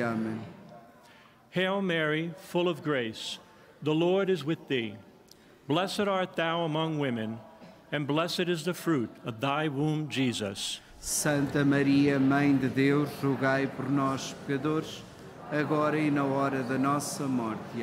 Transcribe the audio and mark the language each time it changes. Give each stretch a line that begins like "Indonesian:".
Portuguese: Amém.
English: Hail Mary, full of grace, the Lord is with thee. Blessed art thou among women, and blessed is the fruit of thy womb, Jesus.
Portuguese: Santa Maria, Mãe de Deus, rogai por nós, pecadores, agora e na hora da nossa morte.